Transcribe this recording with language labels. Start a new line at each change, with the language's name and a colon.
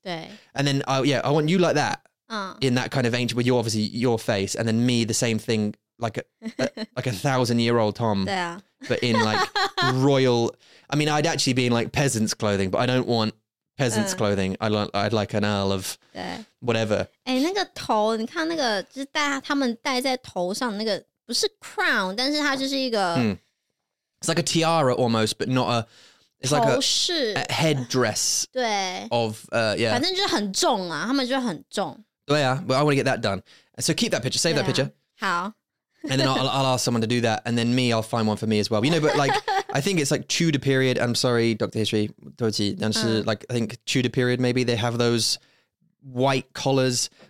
English: And then, I want you like that. In that kind of ancient, with your face, and then me, the same thing, like a 1,000-year-old Tom. But in like royal, I mean, I'd actually be in like peasant's clothing, but I don't want peasant's clothing. I'd like an Earl of whatever.
Chinese: 欸,那个头,你看那个,就是他们戴在头上那个,不是 crown, 但是它就是一个... Mm.
English: It's like a tiara almost, but not a... It's like a headdress of, yeah.
Chinese: 反正就很重啊,他们就很重。
English: 对啊, but I want to get that done. So keep that picture, save that picture.
Chinese: 好。
English: And then I'll ask someone to do that, and then me, I'll find one for me as well. You know, but like, I think it's like Tudor period. I'm sorry, Dr. History,
Chinese: 对不起, 但是,
English: like, I think Tudor period, maybe they have those white collars.